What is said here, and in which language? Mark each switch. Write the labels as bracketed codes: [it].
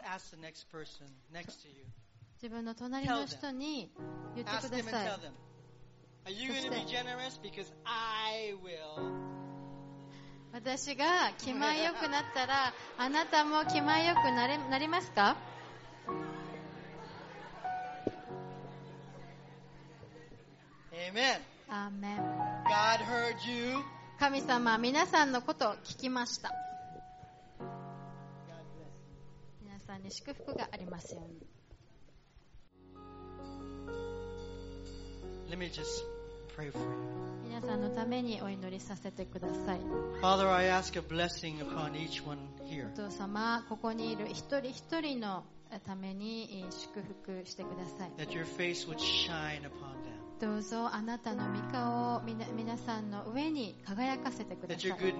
[en] Just ask the next person next to you. [ja] 自分の隣の人に言ってください。 [en] Ask them and tell them. Are you going to be generous? Because I will. [ja] 私が気前よくなったらあなたも気前よくなりますか。 [en] Amen. Amen. God heard you. [ja] 神様、皆さんのことを聞きました。皆さんに祝福がありますように。 [en] Let me just pray for you. [ja] 皆さんのためにお祈りさせてください。 [en] Father, I ask a blessing upon each one here. [ja] お父様、ここにいる一人一人のために祝福してください。 [en] That your face would shine upon them. [ja] どうぞあなたの御顔を皆さんの上に輝かせてください。